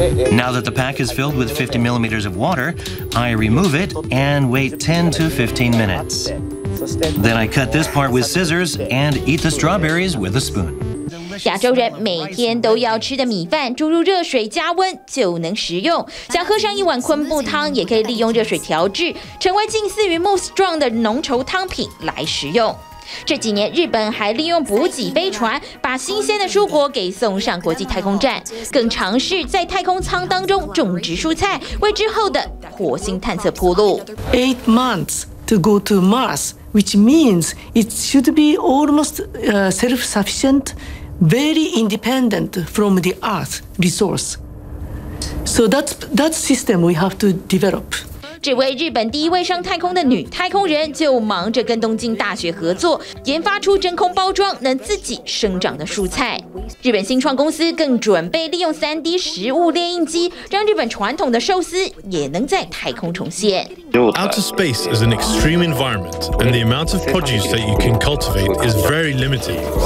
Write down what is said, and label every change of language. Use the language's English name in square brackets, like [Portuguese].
[English] Now that the pack is filled with 50 millimeters of water, I remove it and wait 10 to 15 minutes. Then I cut this part with scissors and eat the strawberries with a spoon. [Chinese] 亚洲人每天都要吃的米饭，注入热水加温就能食用。想喝上一碗昆布汤，也可以利用热水调制，成为近似于 mousse状的浓稠汤品来食用。这几年日本还利用补给飞船把新鲜的蔬果给送上国际太空站，更尝试在太空舱当中种植蔬菜，为之后的火星探测铺路。 [English] 8 months to go to Mars, which means it should be almost self-sufficient, very independent from the Earth resource. So that system we have to develop. [Chinese] 这位日本第一位上太空的女太空人就忙着跟东京大学合作，研发出真空包装能自己生长的蔬菜。日本新创公司更准备利用 3D 食物列印机，让日本传统的寿司也能在太空重现。 [English] Outer space is an extreme environment, and the amount of produce that you can cultivate is very limited.